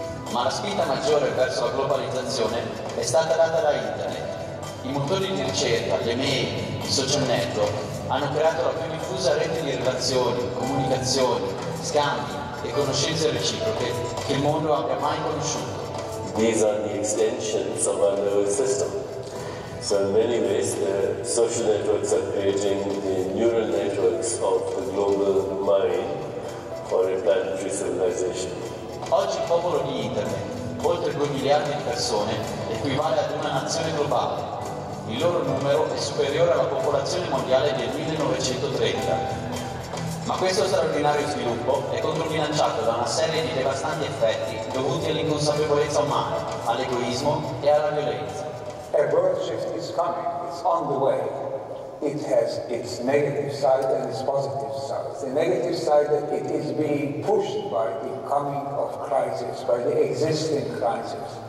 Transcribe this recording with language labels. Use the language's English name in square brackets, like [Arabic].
[Italian] Ma la spinta maggiore verso la globalizzazione è stata data da Internet. I motori di ricerca, le mail, i social network hanno creato la più diffusa rete di relazioni, comunicazioni, scambi e conoscenze reciproche che il mondo abbia mai conosciuto. [English] These are the extensions of our nervous system. So in many ways the social networks are creating the neural networks of the global mind for a planetary civilization. [Italian] Oggi il popolo di Internet, oltre 2 miliardi di persone, equivale ad una nazione globale. Il loro numero è superiore alla popolazione mondiale del 1930. Ma questo straordinario sviluppo è controbilanciato da una serie di devastanti effetti dovuti all'inconsapevolezza umana, all'egoismo e alla violenza. [English] A world shift is coming, it's on the way. It has its negative side and its positive side. The negative side that it is being pushed by the coming of crisis, by the existing crisis.